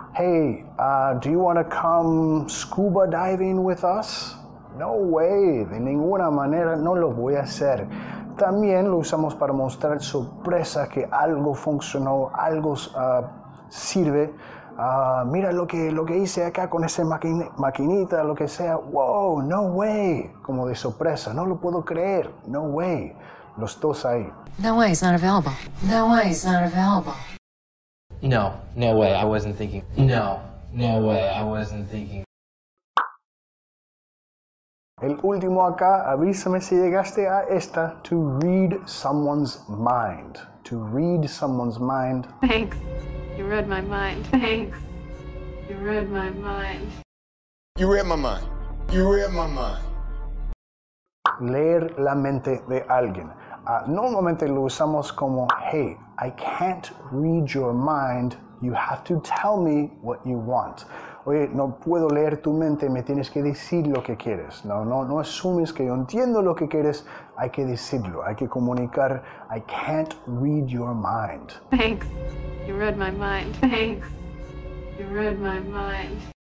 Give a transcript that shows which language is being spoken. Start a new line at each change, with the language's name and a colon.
English: Hey, do you want to come scuba diving with us? No way.
Spanish: De ninguna manera. No lo voy a hacer. También lo usamos para mostrar sorpresa que algo funcionó, algo sirve. Mira lo que hice acá con esa maquinita, lo que sea.
English: Wow, no way.
Spanish: Como de sorpresa. No lo puedo creer.
English: No way.
Spanish: Los dos ahí.
English: No way is not available. No way is not available. No, no way. I wasn't thinking. No, No way, I wasn't thinking.
Spanish: El último acá, avísame si llegaste a esta.
English: To read someone's mind. To read someone's mind. Thanks. You read my mind. Thanks. You read my mind. You read my mind. You read my mind.
Spanish: Leer la mente de alguien. Normalmente lo usamos como,
English: hey, I can't read your mind. You have to tell me what you want.
Spanish: Oye, no puedo leer tu mente, me tienes que decir lo que quieres. No asumes que yo entiendo lo que quieres, hay que decirlo, hay que comunicar.
English: I can't read your mind. Thanks. You read my mind. Thanks. You read my mind.